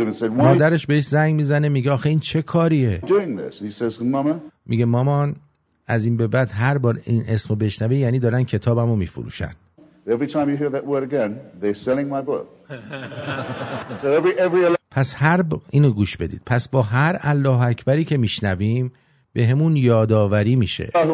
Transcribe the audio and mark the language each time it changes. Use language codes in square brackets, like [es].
[fa] مادرش بهش زنگ میزنه میگه آخه این چه کاریه؟ میگه مامان از این به بعد هر بار این اسم رو بشنوه یعنی دارن کتابم رو میفروشن. [en] Every time you hear that word again, they're selling my book. So every [fa] پس هر اینو گوش بدید. پس با هر الله اکبری که میشنویم بهمون یادآوری میشه.